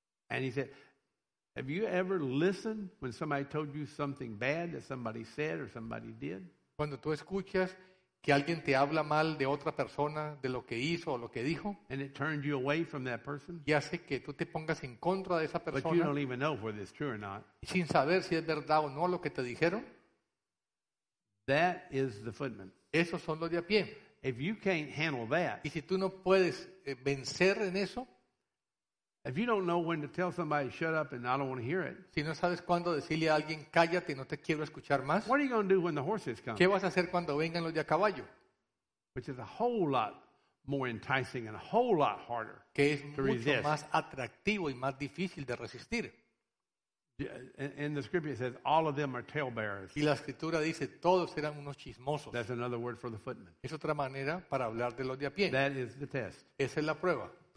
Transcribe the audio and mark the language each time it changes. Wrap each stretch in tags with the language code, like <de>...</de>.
<en>And he said, have you ever listened when somebody told you something bad that somebody said or somebody did?</en> <es>Cuando tú escuchas que alguien te habla mal de otra persona, de lo que hizo o lo que dijo,</es> <en>and it turned you away from that person,</en> <es>y hace que tú te pongas en contra de esa persona,</es> <en>but you don't even know whether it's true or not,</en> <es>sin saber si es verdad o no lo que te dijeron,</es> <en>that is the footman.</en> <es>Esos son los de a pie.</es> <en>If you can't handle that,</en> <es>y si tú no puedes vencer en eso,</es> <en>if you don't know when to tell somebody shut up and I don't want to hear it,</en> <es>si no sabes cuándo decirle a alguien cállate, no te quiero escuchar más,</es> <en>what are you going to do when the horses come?</en> <es>¿Qué vas a hacer cuando vengan los de a caballo?</es> <en>Which is a whole lot more enticing and a whole lot harder to resist.</en> <es>Que es mucho más atractivo y más difícil de resistir.</es> <en>In the scripture it says all of them are tail bearers.</en> <es>Y la escritura dice todos eran unos chismosos.</es> <en>That's another word for the footman.</en> <es>Es otra manera para hablar de los de a pie.</es> <en>That is the test.</en> <es>Esa es la prueba.</es>